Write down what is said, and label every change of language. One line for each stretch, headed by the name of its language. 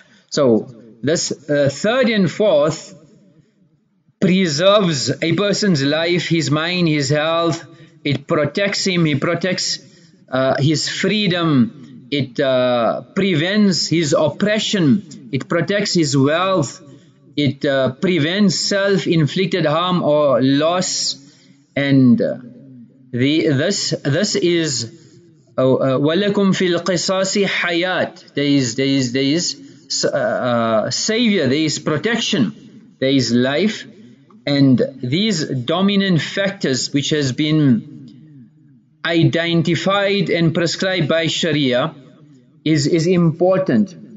English: So this third and fourth preserves a person's life, his mind, his health. It protects him, he protects his freedom, it prevents his oppression, it protects his wealth, it prevents self-inflicted harm or loss. And this is
Arabic: وَلَكُمْ فِي الْقِصَاصِ حَيَاتِ.
English: There is savior, there is protection, there is life. And these dominant factors which has been identified and prescribed by Sharia is important.